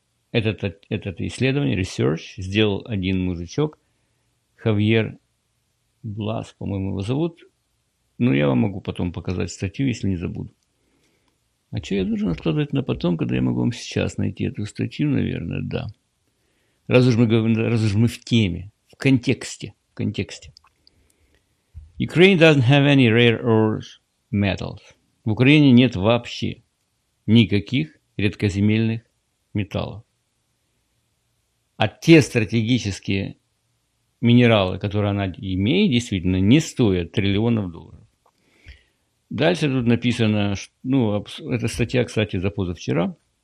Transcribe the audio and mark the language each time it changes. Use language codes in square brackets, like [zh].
[ru] Это исследование, [en] research, [ru] сделал один мужичок, Хавьер Блас, по-моему, его зовут. Но я вам могу потом показать статью, если не забуду. А что я должен откладывать на потом, когда я могу вам сейчас найти эту статью, наверное, да. Раз уж мы в теме, в контексте. [en] Ukraine doesn't have any rare earth metals. [ru] В Украине нет вообще никаких редкоземельных металлов. А те стратегические минералы, которые она имеет, действительно, не стоят триллионов долларов. Дальше тут написано, ну, эта статья, кстати, за позавчера,